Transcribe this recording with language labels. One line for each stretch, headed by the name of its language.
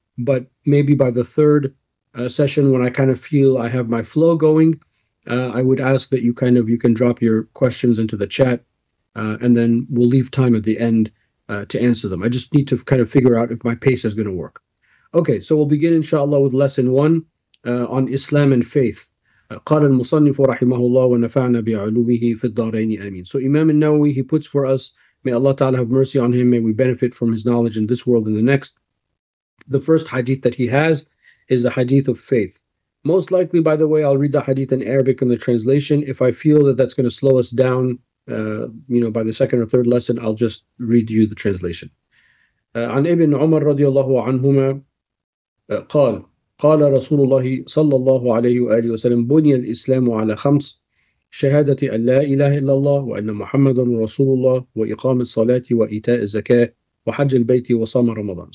English: But maybe by the third session, when I kind of feel I have my flow going, I would ask that you can drop your questions into the chat. And then we'll leave time at the end to answer them. I just need to kind of figure out if my pace is going to work. Okay, so we'll begin, inshallah, with lesson one on Islam and faith.
Arabic: قال المصنف رحمه الله ونفعنا بعلومه في الدارين آمين.
English: So Imam al-Nawawi, he puts for us, may Allah Ta'ala have mercy on him, may we benefit from his knowledge in this world and the next. The first hadith that he has is the hadith of faith. Most likely, by the way, I'll read the hadith in Arabic in the translation. If I feel that that's going to slow us down, by the second or third lesson, I'll just read you the translation.
Arabic: عن ابن عمر رضي الله عنهما قال قال رسول الله صلى الله عليه وآله وسلم بني الإسلام على خمس شهادة أن لا إله إلا الله وأن محمد رسول الله وإقام الصلاة وإيتاء الزكاة وحج البيت وصام رمضان.